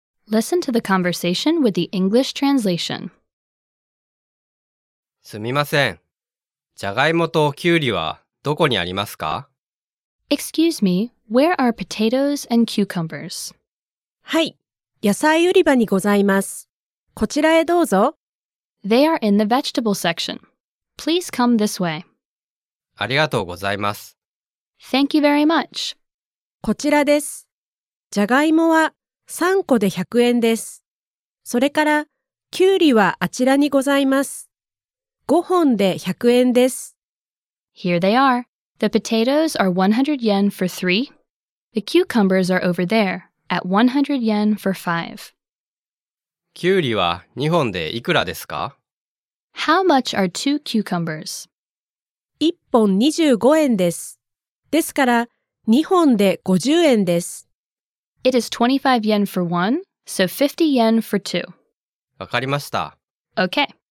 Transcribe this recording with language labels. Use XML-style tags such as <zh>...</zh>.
<en>Listen to the conversation with the English translation.</en> <ja>すみません。じゃがいもときゅうりはどこにありますか？</ja> <en>Excuse me, where are potatoes and cucumbers?</en> <ja>はい、野菜売り場にございます。こちらへどうぞ。</ja> <en>They are in the vegetable section. Please come this way.</en> <ja>ありがとうございます。</ja> <en>Thank you very much.</en> <ja>こちらです。じゃがいもは3個で100円です。それから、きゅうりはあちらにございます。 5本で100円です。</ja> <en>Here they are. The potatoes are 100 yen for 3. The cucumbers are over there, at 100 yen for 5.</en> <ja>きゅうりは2本でいくらですか？</ja> <en>How much are two cucumbers?</en> <ja>1本25円です。ですから、2本で50円です。</ja> <en>It is 25 yen for one, so 50 yen for two.</en> <ja>わかりました。</ja> <en>Okay.</en>